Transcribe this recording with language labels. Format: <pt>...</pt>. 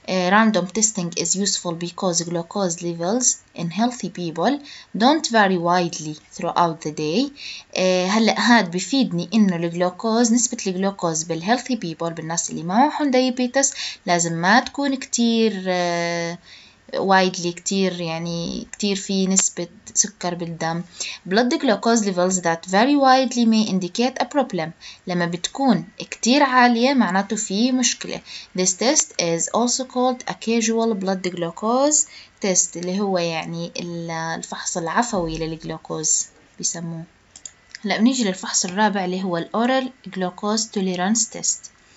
<en>Random testing is useful because glucose levels in healthy people don't vary widely throughout the day.</en> <ar>هلأ هاد بفيدني إنه الجلوكوز، نسبة الجلوكوز بال</ar> <en>healthy people</en> <ar>بالناس اللي ما معهم diabetes لازم ما تكون كتير widely كتير، يعني كتير في نسبة سكر بالدم.</ar> <en>Blood glucose levels that vary widely may indicate a problem.</en> <ar>لما بتكون كتير عالية معناته في مشكلة.</ar> <en>This test is also called a casual blood glucose test،</en> <ar>اللي هو يعني الفحص العفوي للجلوكوز بيسموه. هلا بنيجي للفحص الرابع اللي هو oral glucose tolerance test.</ar>